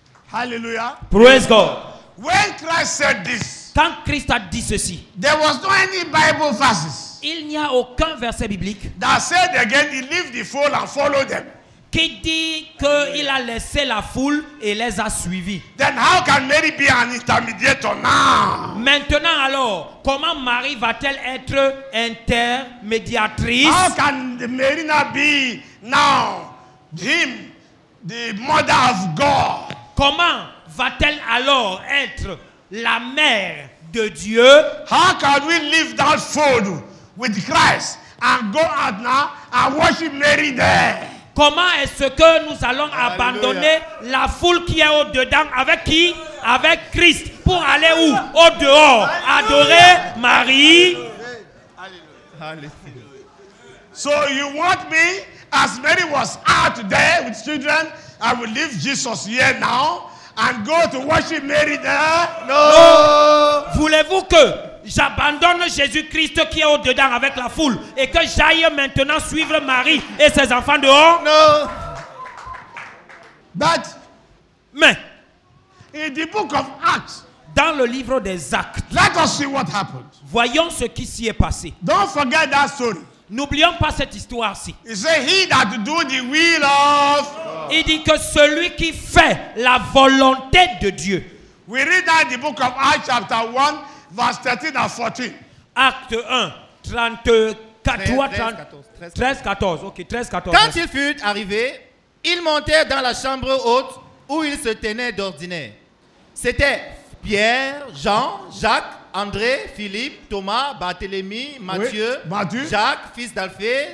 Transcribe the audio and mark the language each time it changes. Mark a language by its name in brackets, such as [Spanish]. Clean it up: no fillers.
[English] Hallelujah. Praise God. When Christ said this. [French] Quand Christ a dit ceci. [English] There was no any Bible verses. [French] Il n'y a aucun verset biblique. [English] That said again, he leave the fold and follow them. [French] Qui dit que il a laissé la foule et les a suivis. [English] Then how can Mary be an intermediator now? [French] Maintenant alors, comment Marie va-t-elle être intermédiatrice? [English] How can Mary not be now him, the mother of God? [French] Comment va-t-elle alors être la mère de Dieu? [English] How can we leave that fold with Christ and go out now and worship Mary there? [French] Comment est-ce que nous allons abandonner la foule qui est au-dedans avec qui? Avec Christ. Pour aller où? Au-dehors. Adorer Marie. [English] So you want me, as Mary was out there with children, I will leave Jesus here now and go to worship Mary there? No. [French] Voulez-vous que j'abandonne Jésus-Christ qui est au-dedans avec la foule et que j'aille maintenant suivre Marie et ses enfants dehors? No. [English] But [French] mais [English] in the book of Acts, [French] dans le livre des Actes, [English] let us see what happened. [French] Voyons ce qui s'y est passé. [English] Don't forget that story. [French] N'oublions pas cette histoire-ci. [English] He said, he that do the will of [French] il dit que celui qui fait la volonté de Dieu [English] We read that in the book of Acts chapter 1, verse 13 and 14. [French] Acte 1, 13, 14. Quand il fut arrivé, il montait dans la chambre haute où il se tenait d'ordinaire. C'était Pierre, Jean, Jacques, André, Philippe, Thomas, Barthélemy, Matthieu, oui, Matthieu, Jacques, fils d'Alphée,